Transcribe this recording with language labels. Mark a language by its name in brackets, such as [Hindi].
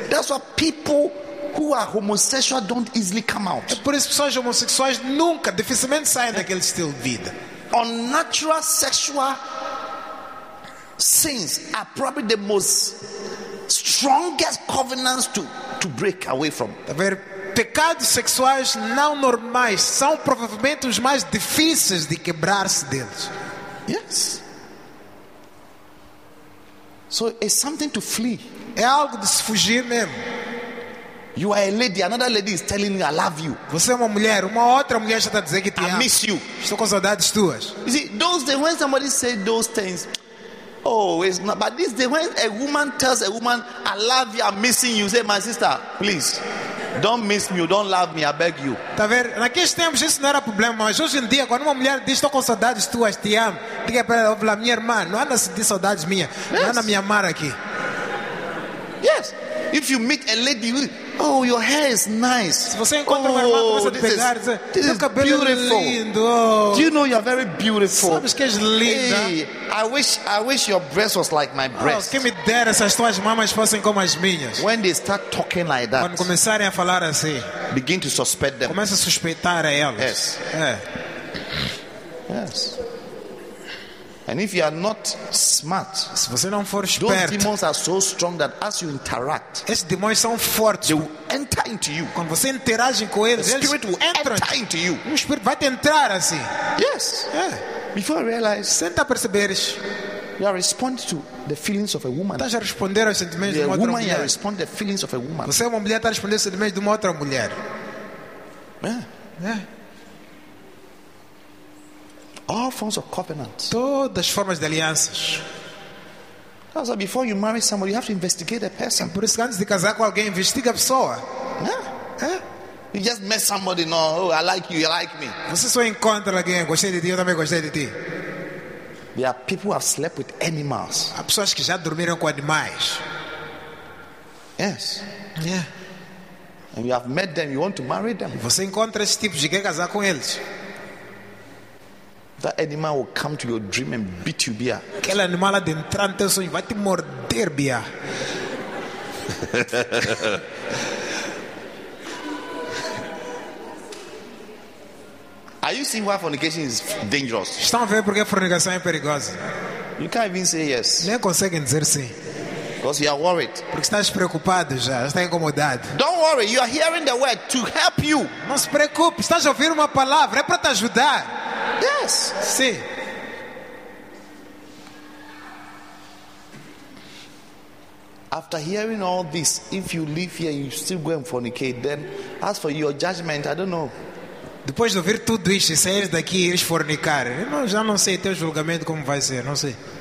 [English] That's why people who are homosexual don't easily come out. [Portuguese] É por isso que pessoas homossexuais nunca, dificilmente saem daquele estilo de vida. [English] Unnatural sexual sins are probably the most strongest covenants to break away from. [Portuguese] Tá vendo? Pecados sexuais não normais são provavelmente os mais difíceis de quebrar-se deles. [English] Yes. So it's something to flee. [Portuguese] É algo de se fugir mesmo. [English] You are a lady, another lady is telling you I love you. [Portuguese] Você é uma mulher, uma outra mulher já está dizendo que te amo. [English] I miss you. [Portuguese] Estou com saudades tuas. [English] You see, those days when somebody says those things, oh, it's not. But this day when a woman tells a woman I love you, I'm missing you, say my sister, please. Don't miss me, don't love me, I beg you. [Portuguese] Tá vendo? Naqueles tempos isso não era problema, mas hoje em dia, quando uma mulher diz estou com saudades tuas, te amo, diga para ela, minha irmã, não anda a sentir saudades minha, [English] yes. [Portuguese] Não anda a me amar aqui. [English] Yes. If you meet a lady, oh, your hair is nice. [Portuguese] Se você encontra uma irmã, começa a pegar, [English] is, this [Portuguese] teu cabelo [English] is beautiful. [Portuguese] É lindo. Oh. [English] Do you know you're very beautiful? [Portuguese] Sabes que és linda. [English] Hey, I wish your breast was like my breast. [Portuguese] Oh, que me dera se as tuas mamas fossem como as minhas. [English] When they start talking like that, [Portuguese] quando começarem a falar assim, [English] begin to suspect them. [Portuguese] Começa a suspeitar a elas. [English] Yes. [Portuguese] É. [English] Yes. And if you are not smart, [Portuguese] se você não for esperto, [English] those demons are so strong that as you interact, [Portuguese] esses demônios são fortes. [English] They will enter into you. [Portuguese] Quando você interage com eles, [English] the spirit [Portuguese] eles [English] will enter into you. [Portuguese] O espírito vai te entrar assim. [English] Yes. Yeah. Before I realize, [Portuguese] senta a perceber, [English] you are responding to the feelings of a woman. [Portuguese] Estás a responder aos sentimentos de uma [English] woman, [Portuguese] outra mulher. [English] You are responding to the feelings of a woman. [Portuguese] Você é uma mulher, está a responder aos sentimentos de uma outra mulher. [English] Yeah. All forms of covenants. [Portuguese] Todas as formas de alianças. [English] So before you marry somebody, you have to investigate a person. [Portuguese] Por isso, antes de casar com alguém, investiga a pessoa. [English] Yeah. Yeah. You just met somebody, no? Oh, I like you. You like me? [Portuguese] Você só encontra alguém, gostei de ti, eu também gostei de ti. [English] There are people who have slept with animals. [Portuguese] Há pessoas que já dormiram com animais. [English] Yes. Yeah. And you have met them, you want to marry them. [Portuguese] Você encontra esse tipo de quer casar com eles. [English] That animal will come to your dream and beat you, bia. [Portuguese] Aquele animal de entrar no teu sonho vai te morder, bia. [English] Are you seeing why fornication is dangerous? [Portuguese] Estão a ver porque a fornicação é perigosa? [English] You can't even say yes. [Portuguese] Nem conseguem dizer sim. [English] Because you are worried. [Portuguese] Porque estás preocupado já, estás incomodado. [English] Don't worry, you are hearing the word to help you. [Portuguese] Não se preocupe, estás a ouvir uma palavra, é para te ajudar. [English] Yes. [Portuguese] Sim. [English] After hearing all this, if you live here and you still go and fornicate, then as for your judgment, I don't know. [Portuguese] Depois de ouvir tudo isto, sair daqui e ires fornicar, eu já não sei teu julgamento como vai ser, não sei.